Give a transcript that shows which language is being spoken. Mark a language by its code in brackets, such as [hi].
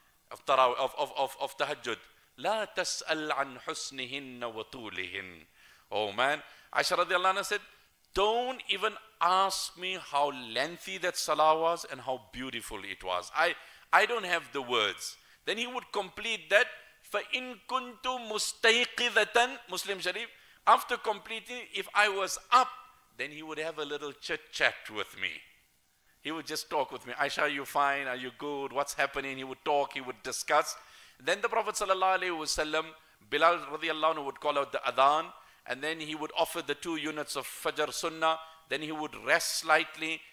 [en] of tarawih, of tahajjud. [ar] لا تسأل عن حسنهن وطولهن. [en] Oh man, Aisha radiallahu anha said, don't even ask me how lengthy that salah was and how beautiful it was. I don't have the words. Then he would complete that. [ar] فَإِن كُنْتُ مُسْتَيْقِذَةً Muslim Sharif. [en] After completing, if I was up, then he would have a little chit-chat with me. He would just talk with me. Aisha, are you fine? Are you good? What's happening? He would talk. He would discuss. Then the Prophet sallallahu alayhi wasallam, Bilal radiallahu anhu would call out the adhan. And then he would offer the 2 units of Fajr Sunnah. Then he would rest slightly.